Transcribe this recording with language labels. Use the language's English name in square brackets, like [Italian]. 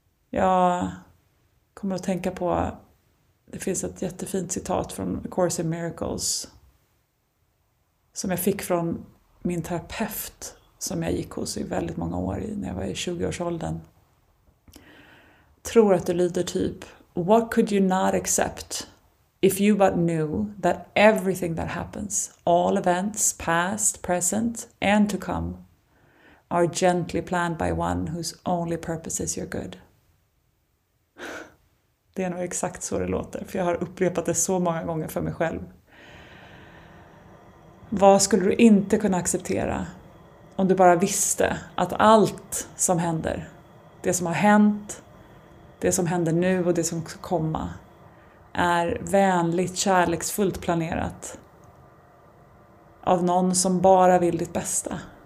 [Swedish] Jag kommer att tänka på, det finns ett jättefint citat från A Course in Miracles som jag fick från min terapeut som jag gick hos i väldigt många år när jag var i 20-årsåldern. Tror att det lyder typ: [English] what could you not accept if you but knew that everything that happens, all events, past, present and to come, are gently planned by one whose only purpose is your good. [Swedish] Det är nog exakt så det låter, för jag har upprepat det så många gånger för mig själv. Vad skulle du inte kunna acceptera om du bara visste att allt som händer, det som har hänt, det som händer nu och det som ska komma, är vänligt, kärleksfullt planerat av någon som bara vill ditt bästa?